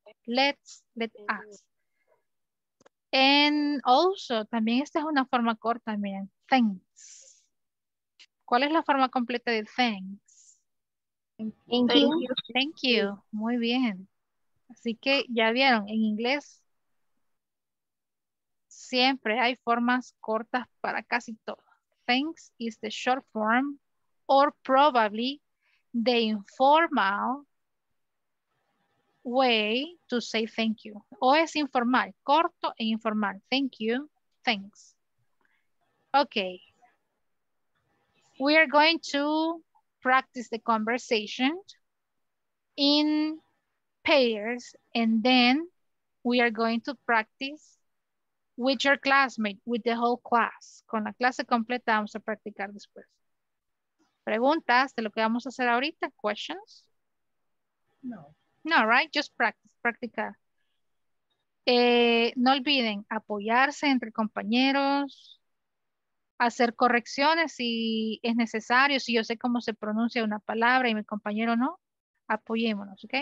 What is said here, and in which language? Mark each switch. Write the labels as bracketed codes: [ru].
[en] Let us. And also, [es] también esta es una forma corta, miren. Thanks. ¿Cuál es la forma completa de thanks? [en] Thank you. [es] Muy bien. Así que ya vieron, en inglés siempre hay formas cortas para casi todo. [en] Thanks is the short form, or probably the informal way to say thank you. [es] O es informal, corto e informal. [en] Thank you, thanks. [es] Okay. [en] We are going to practice the conversation in pairs, and then we are going to practice with your classmate, with the whole class. [es] Con la clase completa vamos a practicar después. ¿Preguntas de lo que vamos a hacer ahorita? [en] ¿Questions? No. No, right? Just practice, practicar. [es] No olviden apoyarse entre compañeros, hacer correcciones si es necesario, si yo sé cómo se pronuncia una palabra y mi compañero no, apoyémonos, ¿ok?